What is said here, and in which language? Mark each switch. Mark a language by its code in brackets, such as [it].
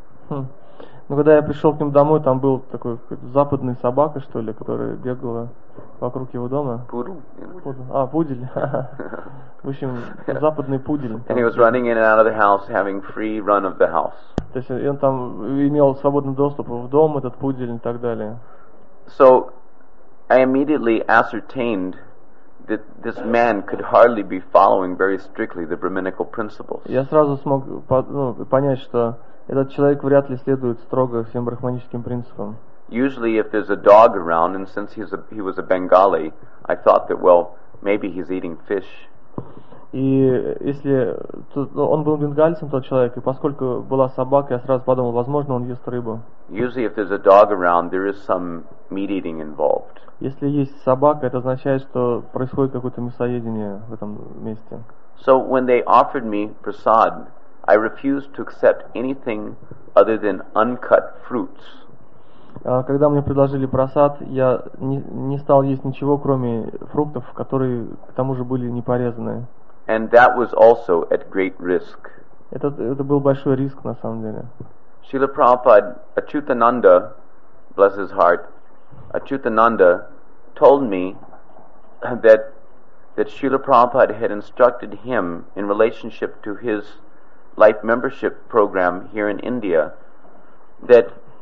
[ru] Но когда я пришел к нему домой, там был такой западный собака, что ли, которая бегала вокруг его дома. Пудель. В общем, западный пудель. [en] And he was running in and out of the house, having free run of the house. [ru] То есть он там имел свободный доступ в дом, этот пудель и так далее. [en] So I immediately ascertained that this man could hardly be following very strictly the brahminical principles. [ru] Я сразу смог понять, что этот человек вряд ли следует строго всем брахманическим принципам. [en] Usually, if there's a dog around, and since he was a Bengali, I thought that, well, maybe he's eating fish. [ru] И если он был бенгальцем, тот человек, и поскольку была собака, я сразу подумал, возможно, он ест рыбу. [en] Usually, if there's a dog around, there is some meat eating involved. [ru] Если есть собака, это означает, что происходит какое-то мясоедение в этом месте. [en] So when they offered me prasad, I refused to accept anything other than uncut fruits. [ru] Когда мне предложили просад, я не стал есть ничего, кроме фруктов, которые к тому же были не порезаны. [en] And that was also at great risk. [ru] Это был большой риск на самом деле. [en] Srila Prabhupada Achyutananda, bless his heart, Achyutananda told me that Srila Prabhupada had instructed him in relationship to his life membership program here in India that